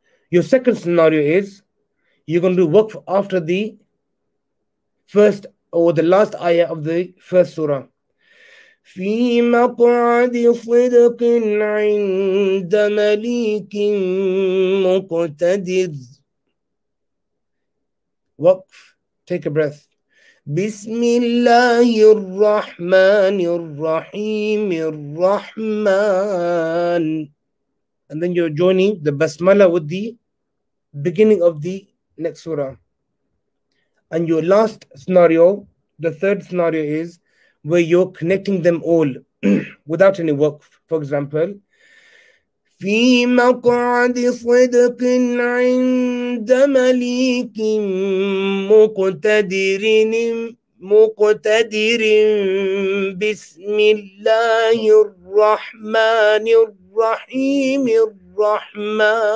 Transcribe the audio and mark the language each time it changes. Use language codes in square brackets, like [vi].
[en] Your second scenario is, you're going to do waqf after the first or the last ayah of the first surah. [ar] في مقعد صدق عند مليك مقتدر. [en] Waqf. Take a breath. [ar] بسم الله الرحمن الرحيم الرحمن. [en] And then you're joining the basmala with the beginning of the next surah. And your last scenario, the third scenario, is where you're connecting them all without any work. For example, [ar] في مقعد صدق عند مليك مقتدر مقتدر بسم الله الرحمن الرحيم الرحمن.